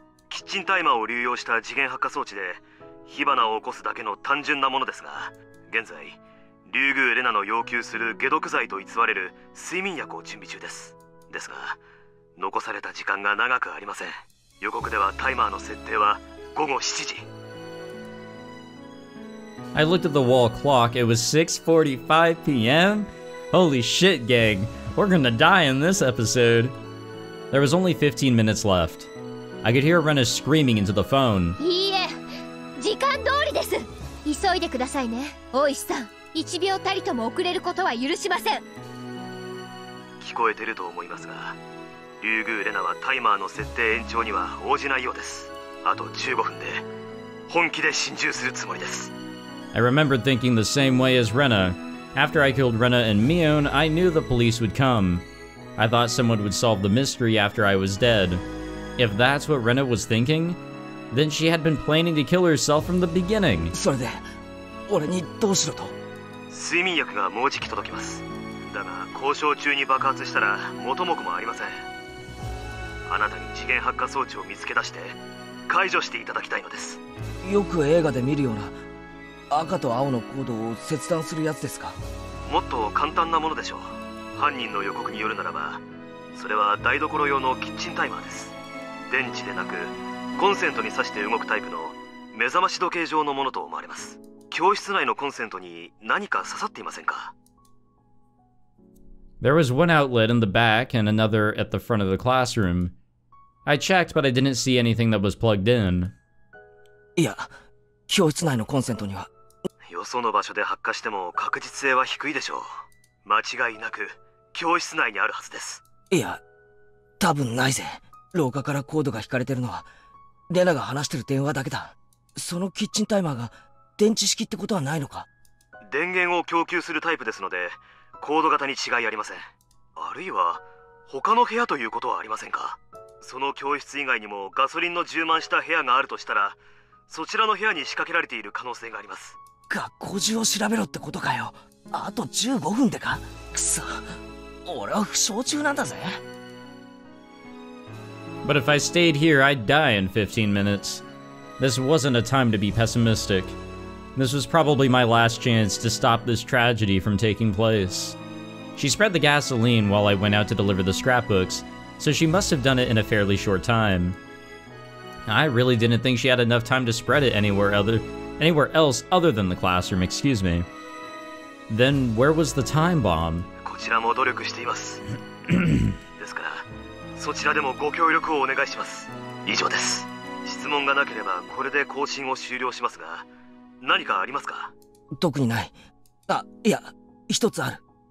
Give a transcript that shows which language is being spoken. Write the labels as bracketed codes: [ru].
[ja] キッチンタイマーを流用した次元発火装置で火花を起こすだけの単純なものですが、現在リュウグウレナの要求する解毒剤と偽れる睡眠薬を準備中です。ですが残された時間が長くありません。予告ではタイマーの設定は午後7時。 [en] I looked at the wall clock, it was 6:45 PM? Holy shit, gang, we're gonna die in this episode. There was only 15 minutes left. I could hear Rena screaming into the phone. [ja] いいえ、時間通りです。急いでくださいね、大石さん。一秒たりとも遅れることは許しません。聞こえてると思いますが、リュウグウレナはタイマーの設定延長には応じないようです。あと15分で本気で心中するつもりです。 [en] I remembered thinking the same way as Rena. After I killed Rena and Mion, I knew the police would come. I thought someone would solve the mystery after I was dead. If that's what Rena was thinking, then she had been planning to kill herself from the beginning. [ja] それで、俺にどうしろと？睡眠薬がもうじき届きます。だが、交渉中に爆発したら元も子もありません。ああなたに次元発火装置を見つけ出して解除していただきたいのです。よく映画で見るような赤と青のコードを切断するやつですか？もっと簡単なものでしょう。犯人の予告によるならば、それは台所用のキッチンタイマーです。電池でなくコンセントに挿して動くタイプの目覚まし時計状のものと思われます。教室内のコンセントに何か刺さっていませんか？ There was one outlet in the back and another at the front of the classroom. I checked, but I didn't see anything that was plugged in. いや、教室内のコンセントには。よその場所で発火しても確実性は低いでしょう。間違いなく教室内にあるはずです。いや、多分ないぜ。廊下からコードが引かれてるのはレナが話してる電話だけだ。そのキッチンタイマーが電池式ってことはないのか？電源を供給するタイプですので、コード型に違いありません。あるいは他の部屋ということはありませんか？その教室以外にもガソリンの充満した部屋があるとしたら、そちらの部屋に仕掛けられている可能性があります。学校中を調べろってことかよ。あと15分でか。くそ、俺は負傷中なんだぜ。 [en] But if I stayed here, I'd die in 15 minutes. This wasn't a time to be pessimisticThis was probably my last chance to stop this tragedy from taking place. She spread the gasoline while I went out to deliver the scrapbooks, so she must have done it in a fairly short time. I really didn't think she had enough time to spread it anywhere else other than the classroom, excuse me. Then where was the time bomb? [ja] こちらも努力しています。ですから、そちらでもご協力をお願いします。以上です。質問がなければこれで更新を終了しますが、何かありますか？特にない。あ、いや、一つある。